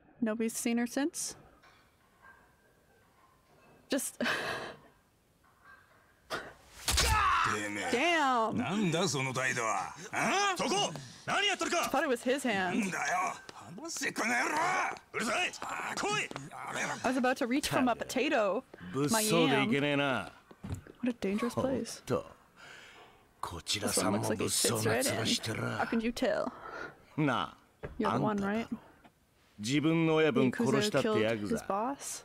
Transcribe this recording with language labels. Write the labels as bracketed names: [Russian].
[English] Nobody's seen her since. Just. Damn. [Japanese] なんだその態度は。そこ。何やってるか。 [English] I thought it was his hand. [Japanese] なんだよ。話せこの野郎。うるさい。来い。 [English] I was about to reach for my potato. [Japanese] 物騒でいけねえな。 [English] What a dangerous place. [Japanese] と。こちら様も物騒な面してる。 [English] How can you tell? [Japanese] な。 [English] You're the one, right? [Japanese] 自分の親分殺したってヤクザ。